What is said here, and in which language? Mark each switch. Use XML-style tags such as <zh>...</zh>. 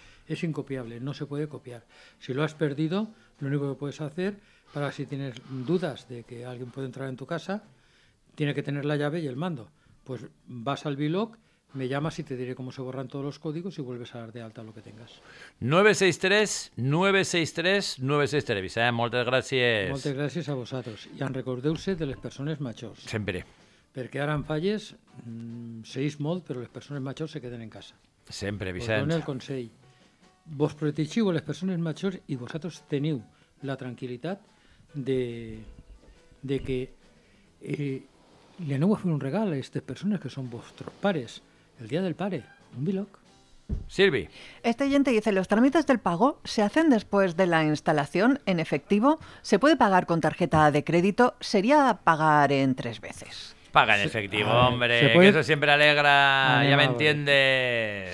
<es>Es incopiable, no se puede copiar. Si lo has perdido, lo único que puedes hacer, para si tienes dudas de que alguien puede entrar en tu casa, tiene que tener la llave y el mando. Pues vas al Bilog, me llamas y te diré cómo se borran todos los códigos y vuelves a dar de alta lo que tengas. 963-963-963.</es> <ca>Visaya, moltes gràcies. Moltes gràcies a vosaltres. I en recordeu-se de les persones majors. Sempre. Perquè ara en falles, seguís molt, però les persones majors se queden en casa. Sempre, Vicenç. Us dono el consell. Vos protegiu les persones majors i vosaltres teniu la tranquil·litat de que li aneu a fer un regal a aquestes persones que són vostres pares.</ca> <es>El día del padre, un Bilog. Silvi. Este oyente dice, los trámites del pago se hacen después de la instalación en efectivo. ¿Se puede pagar con tarjeta de crédito? ¿Sería pagar en tres veces? Paga en efectivo, hombre, que eso siempre alegra, ya me entiendes.</es>